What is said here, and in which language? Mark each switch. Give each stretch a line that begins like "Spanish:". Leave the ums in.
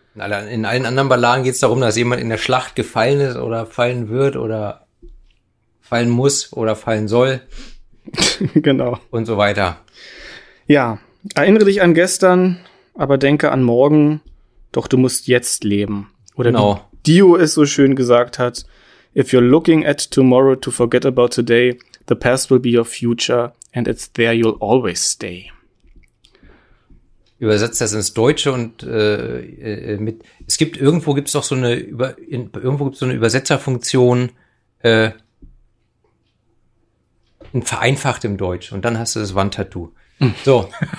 German: In alle- in allen anderen Balladen geht es darum, dass jemand in der Schlacht gefallen ist oder fallen wird oder fallen muss oder fallen soll genau. und so weiter. Ja, erinnere dich an gestern, aber denke an morgen. Doch du musst jetzt leben. Oder Genau. wie Dio es so schön gesagt hat,
English: if you're looking at tomorrow to forget about today, the past will be your future and it's there you'll always stay.
German: übersetzt das ins Deutsche und äh, äh, mit es gibt irgendwo gibt es doch so eine über in, irgendwo gibt so eine Übersetzerfunktion äh, in vereinfachtem Deutsch und dann hast du das Wandtattoo. So,